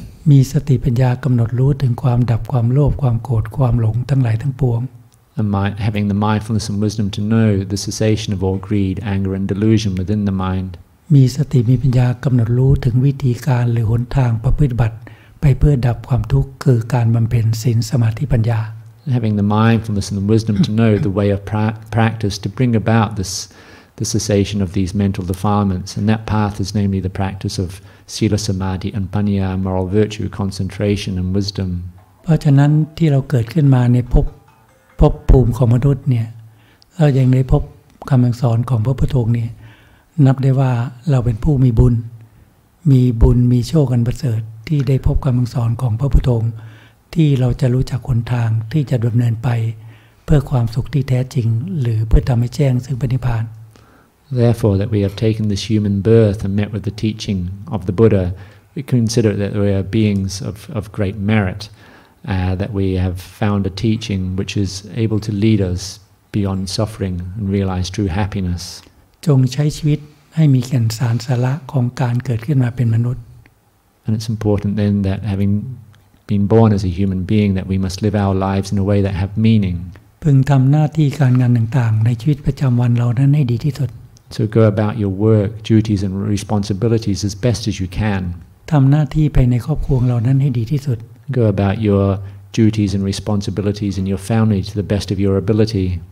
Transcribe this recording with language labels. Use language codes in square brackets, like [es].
[th] มีสติปัญญากำหนดรู้ถึงความดับความโลภความโกรธความหลงทั้งหลายทั้งปวง [en] Having the mindfulness and wisdom to know the cessation of all greed, anger and delusion within the mind. [th] มีสติมีปัญญากำหนดรู้ถึงวิธีการหรือหนทางประพฤติบัติไปเพื่อดับความทุกข์คือการบำเพ็ญศีลสมาธิปัญญา [en] Having the mindfulness and the wisdom to know the way of practice to bring about this, the cessation of these mental defilements. And that path is namely the practice of sila samadhi and panya, moral virtue, concentration and wisdom. [th] เพราะฉะนั้นที่เราเกิดขึ้นมาในภพภูมิของมนุษย์เนี่ยเรายังได้พบคำสอนของพระพุทธองค์เนี่ยนับได้ว่าเราเป็นผู้มีบุญมีโชคอันประเสริฐที่ได้พบคำสอนของพระพุทธองค์ที่เราจะรู้จักหนทางที่จะดำเนินไปเพื่อความสุขที่แท้จริงหรือเพื่อทำให้แจ้งซึ่งพระนิพพาน [en] Therefore, that we have taken this human birth and met with the teaching of the Buddha, we consider that we are beings of great merit, that we have found a teaching which is able to lead us beyond suffering and realize true happiness. [th] จงใช้ชีวิตให้มีแก่นสารสาระของการเกิดขึ้นมาเป็นมนุษย์ [en] And it's important then that having been born as a human being that we must live our lives in a way that have meaning. [th] พึงทำหน้าที่การงานต่างๆในชีวิตประจำวันเรานั้นให้ดีที่สุด [en] So go about your work, duties and responsibilities as best as you can. [th] ทำหน้าที่ภายในครอบครัวเรานั้นให้ดีที่สุด [en] Go about your duties and responsibilities in your family to the best of your ability.